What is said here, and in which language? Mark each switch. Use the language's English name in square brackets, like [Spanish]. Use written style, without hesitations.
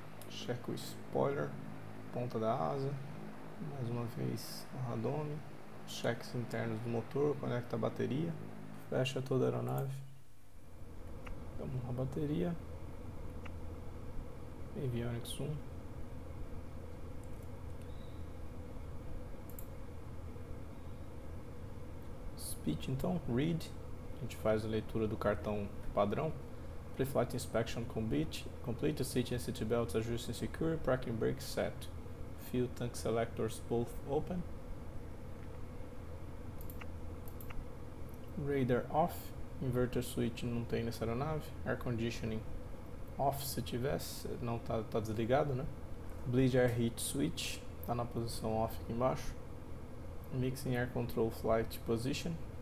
[Portuguese] Checa o spoiler, ponta da asa, mais uma vez o radome, cheques internos do motor, conecta a bateria, fecha toda a aeronave, vamos na bateria, avionics 1, speech então, read, a gente faz a leitura do cartão padrão. [English] Pre-flight inspection complete. Complete seat and seat belts ajusting secure. Parking brake set. Fuel tank selectors both open. Radar off. Inverter switch [Portuguese] não tem nessa aeronave. [English] Air conditioning off [Portuguese] se tivesse. Não tá desligado, né? [English] Bleed air heat switch. [Portuguese] Tá na posição off aqui embaixo. [English] Mixing air control flight position.